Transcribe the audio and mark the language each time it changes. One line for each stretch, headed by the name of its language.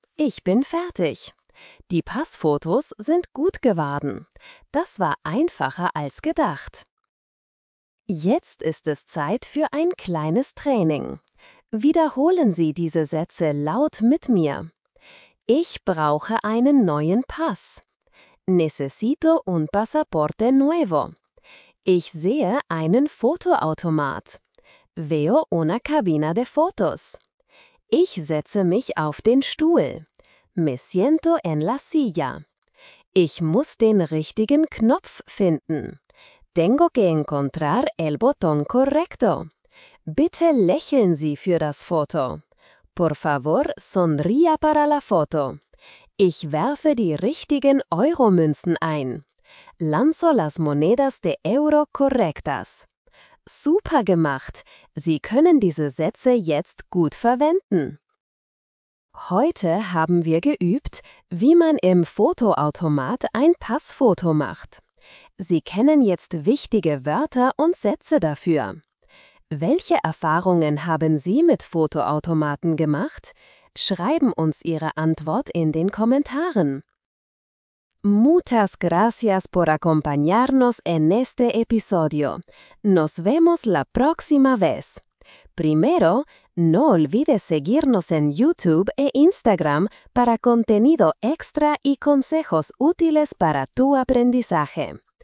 German: Ich bin fertig. Die Passfotos sind gut geworden. Das war einfacher als gedacht. Jetzt ist es Zeit für ein kleines Training. Wiederholen Sie diese Sätze laut mit mir. Ich brauche einen neuen Pass.
Spanish: Necesito un pasaporte nuevo. Ich sehe einen Fotoautomat. Veo una cabina de fotos.
German: Ich setze mich auf den Stuhl.
Spanish: Me siento en la silla.
German: Ich muss den richtigen Knopf finden.
Spanish: Tengo que encontrar el botón correcto.
German: Bitte lächeln Sie für das Foto.
Spanish: Por favor, sonría para la foto.
German: Ich werfe die richtigen Euro-Münzen ein.
Spanish: Lanzo las monedas de euro correctas.
German: Super gemacht! Sie können diese Sätze jetzt gut verwenden. Heute haben wir geübt, wie man im Fotoautomat ein Passfoto macht. Sie kennen jetzt wichtige Wörter und Sätze dafür. Welche Erfahrungen haben Sie mit Fotoautomaten gemacht? Schreiben uns Ihre Antwort in den Kommentaren.
Spanish: Muchas gracias por acompañarnos en este episodio. Nos vemos la próxima vez. Primero, no olvides seguirnos en YouTube e Instagram para contenido extra y consejos útiles para tu aprendizaje.